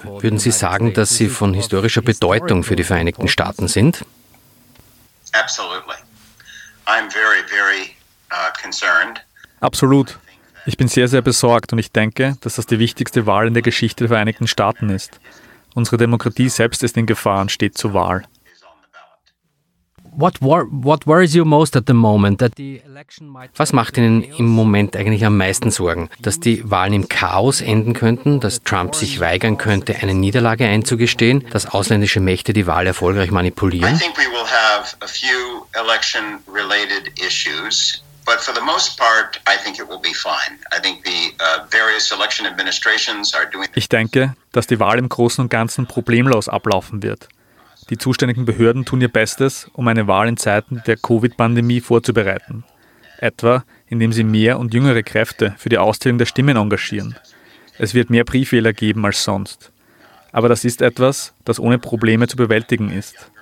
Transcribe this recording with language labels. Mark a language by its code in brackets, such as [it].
[de] Würden Sie sagen, dass sie von historischer Bedeutung für die Vereinigten Staaten sind? [en] Absolutely. I'm very, very concerned. [de] Absolut. Ich bin sehr, sehr besorgt und ich denke, dass das die wichtigste Wahl in der Geschichte der Vereinigten Staaten ist. Unsere Demokratie selbst ist in Gefahr und steht zur Wahl. [en] What worries you most at the moment? That the election might. [de] Was macht Ihnen im Moment eigentlich am meisten Sorgen? Dass die Wahlen im Chaos enden könnten, dass Trump sich weigern könnte, eine Niederlage einzugestehen, dass ausländische Mächte die Wahl erfolgreich manipulieren? [en] I think we will have a few election related issues, but for the most part I think it will be fine. I think the various election administrations are doing. [de] Ich denke, dass die Wahl im Großen und Ganzen problemlos ablaufen wird. Die zuständigen Behörden tun ihr Bestes, um eine Wahl in Zeiten der Covid-Pandemie vorzubereiten. Etwa, indem sie mehr und jüngere Kräfte für die Auszählung der Stimmen engagieren. Es wird mehr Briefwähler geben als sonst. Aber das ist etwas, das ohne Probleme zu bewältigen ist.